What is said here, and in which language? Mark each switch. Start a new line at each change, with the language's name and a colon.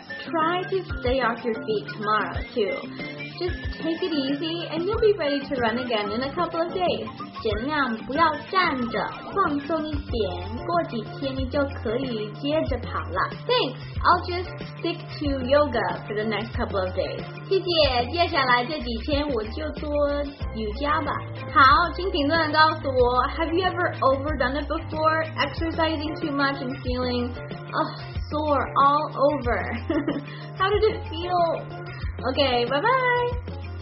English: Try to stay off your feet tomorrow too. Just take it easy and you'll be ready to run again in a couple of days.
Chinese: 尽量不要站着，放松一点，过几天你就可以接着跑了。
English: Thanks, I'll just stick to yoga for the next couple of days.
Chinese: 谢谢，接下来这几天我就做瑜伽吧。好，请评论告诉我 ,
English: Have you ever overdone it before? Exercising too much and feeling, sore all over. How did it feel? Okay, bye-bye!